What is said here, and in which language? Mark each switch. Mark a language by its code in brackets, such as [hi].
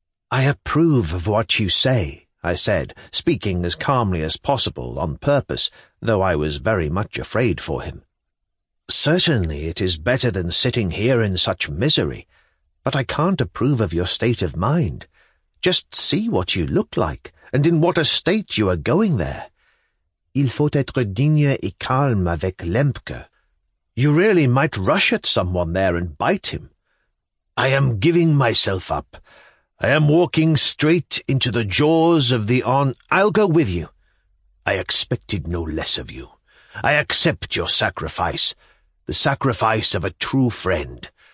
[en] "I approve of what you say," I said, speaking as calmly as possible on purpose, though I was very much afraid for him. "Certainly it is better than sitting here in such misery, but I can't approve of your state of mind. Just see what you look like, and in what a state you are going there. [fr] Il faut être digne et calme avec Lempke. [en] You really might rush at someone there and bite him." "I am giving myself up. I am walking straight into the jaws of the on—" "I'll go with you." "I expected no less of you. I accept your sacrifice, the sacrifice of a true friend.